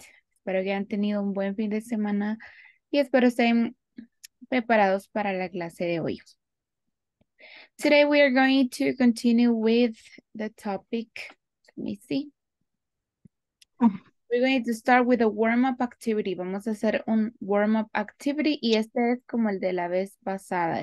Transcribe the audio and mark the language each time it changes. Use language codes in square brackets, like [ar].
[es] Espero que hayan tenido un buen fin de semana. Y espero estén preparados para la clase de hoy. [en] Today we are going to continue with the topic. Let me see. We're going to start with a warm-up activity. [es] Vamos a hacer un warm-up activity y este es como el de la vez pasada.